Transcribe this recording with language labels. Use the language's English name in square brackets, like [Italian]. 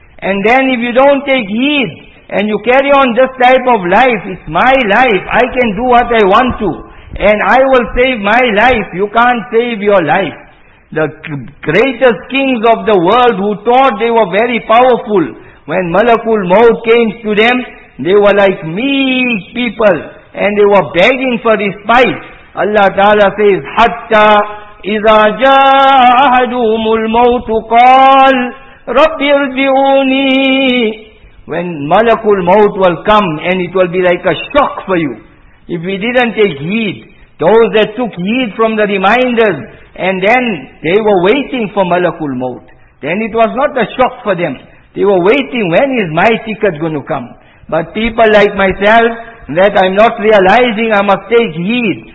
[English] And then if you don't take heed, and you carry on this type of life, it's my life, I can do what I want to, and I will save my life, you can't save your life. The greatest kings of the world who thought they were very powerful, when Malakul Maut came to them, they were like meek people, and they were begging for respite. Allah Ta'ala says, [Arabic] Hatta إِذَا جَاءَ أَحَدُهُمُ الْمَوْتُ قَالْ رَبِّ ارْجِعُونِي. [English] When Malakul Maut will come, and it will be like a shock for you. If we didn't take heed, those that took heed from the reminders, and then they were waiting for Malakul Maut, then it was not a shock for them. They were waiting, when is my ticket going to come? But people like myself, that I'm not realizing, I must take heed.